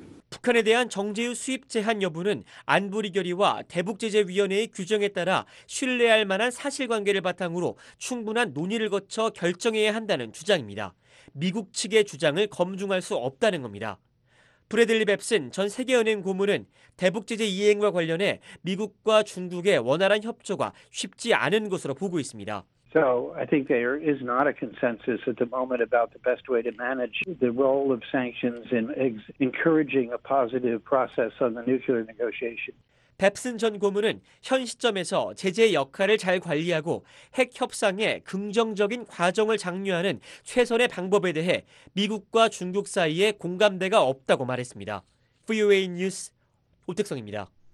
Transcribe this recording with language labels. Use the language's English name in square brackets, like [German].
[Korean] 북한에 대한 정제유 수입 제한 여부는 안보리 결의와 대북제재위원회의 규정에 따라 신뢰할 만한 사실관계를 바탕으로 충분한 논의를 거쳐 결정해야 한다는 주장입니다. 미국 측의 주장을 검증할 수 없다는 겁니다. 브래들리 뱁슨 전 세계은행 고문은 대북제재 이행과 관련해 미국과 중국의 원활한 협조가 쉽지 않은 것으로 보고 있습니다. [English] So I think there is not a consensus at the moment about the best way to manage the role of sanctions in encouraging a positive process on the nuclear negotiation. [Korean] 뱁슨 전 고문은 현 시점에서 제재의 역할을 잘 관리하고 핵 협상의 긍정적인 과정을 장려하는 최선의 방법에 대해 미국과 중국 사이에 공감대가 없다고 말했습니다. VOA 뉴스 오택성입니다.